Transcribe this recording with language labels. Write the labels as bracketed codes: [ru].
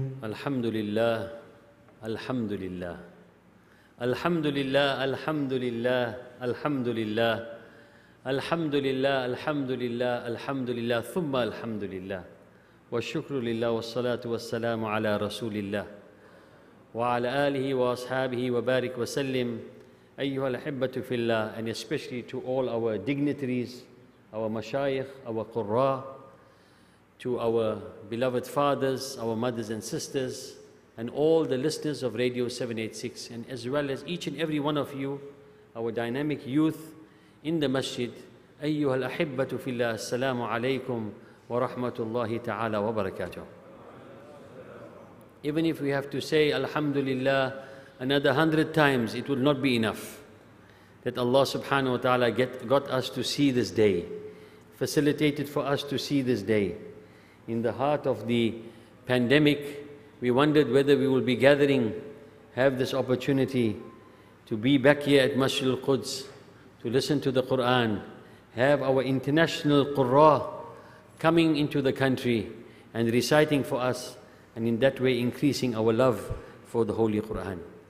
[ar] الحمد لله الحمد لله الحمد لله الحمد لله الحمد لله الحمد لله الحمد لله الحمد لله ثم الحمد لله والشكر لله والصلاة والسلام على رسول الله وعلى آله وأصحابه وبارك وسلم أيها الأحبة في الله [en] and especially to all our dignitaries, our mashayikh, our qurra, to our beloved fathers, our mothers and sisters, and all the listeners of Radio 786, and as well as each and every one of you, our dynamic youth in the masjid. [ar] أيها الأحبة في الله السلام عليكم ورحمة الله تعالى وبركاته. [en] Even if we have to say Alhamdulillah another 100 times, it will not be enough that Allah subhanahu wa ta'ala got us to see this day, facilitated for us to see this day. In the heart of the pandemic, we wondered whether we will be gathering, have this opportunity to be back here at Masjid al-Quds, to listen to the Quran, have our international qurra coming into the country and reciting for us, and in that way increasing our love for the Holy Quran.